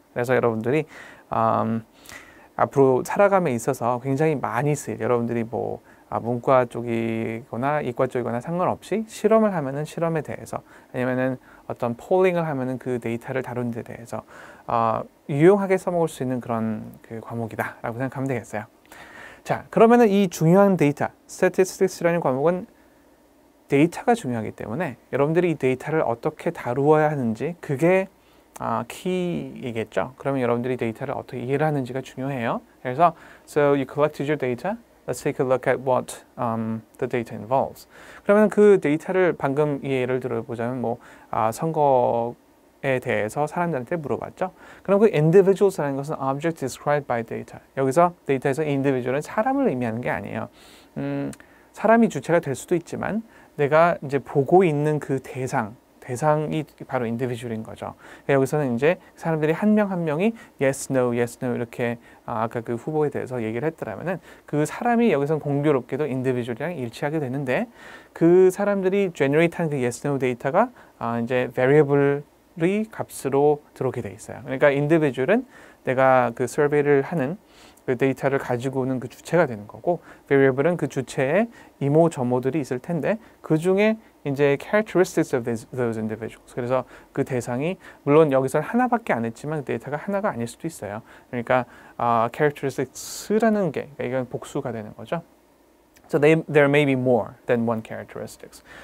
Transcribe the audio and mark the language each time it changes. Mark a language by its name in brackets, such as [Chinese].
[Korean] 그래서 여러분들이 앞으로 살아감에 있어서 굉장히 많이 쓰일, 여러분들이 뭐 문과 쪽이거나 이과 쪽이거나 상관없이 실험을 하면은 실험에 대해서, 아니면은 어떤 폴링을 하면은 그 데이터를 다룬 데 대해서 유용하게 써먹을 수 있는 그런 그 과목이다라고 생각하면 되겠어요. 자, 그러면은 이 중요한 데이터, 스태티스틱스라는 과목은 데이터가 중요하기 때문에 여러분들이 이 데이터를 어떻게 다루어야 하는지, 그게 키이겠죠. 그러면 여러분들이 데이터를 어떻게 이해를 하는지가 중요해요. 그래서 [English] so you collected your data. Let's take a look at what the data involves. [Korean] 그러면 그 데이터를 방금 예를 들어보자면 뭐 선거에 대해서 사람들한테 물어봤죠. 그럼 그 individuals라는 것은 [English] object described by data. [Korean] 여기서 데이터에서 individual은 사람을 의미하는 게 아니에요. 사람이 주체가 될 수도 있지만 내가 이제 보고 있는 그 대상이 바로 인디비주얼인 거죠. 여기서는 이제 사람들이 한명한 명이 yes, no, yes, no 이렇게 아까 그 후보에 대해서 얘기를 했더라면은 그 사람이 여기서는 공교롭게도 인디비주얼이랑 일치하게 되는데, 그 사람들이 generate한 그 yes, no 데이터가 이제 variable의 값으로 들어오게 돼 있어요. 그러니까 인디비주얼은 내가 그 서베이를 하는 그 데이터를 가지고 오는 그 주체가 되는 거고, variable은 그 주체에 이모 저모들이 있을 텐데 그 중에 이제 [English] characteristics of those individuals. [Korean] 그래서 그 대상이 물론 여기서 하나밖에 안 했지만 데이터가 하나가 아닐 수도 있어요. 그러니까 characteristics라는 게, 그러니까 이건 복수가 되는 거죠. [English] So there may be more than one characteristics.